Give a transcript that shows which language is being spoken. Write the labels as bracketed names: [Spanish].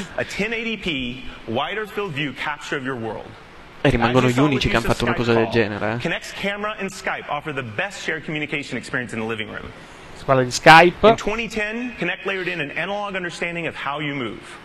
[English] A 1080p wider field view capture of your world. [Italian] E rimangono gli unici che hanno fatto una cosa del genere. [English] Kinect's camera and Skype offer the best shared communication experience in the living room. [Italian] si parla di Skype. [English] In 2010, Kinect layered in an analog understanding of how you move.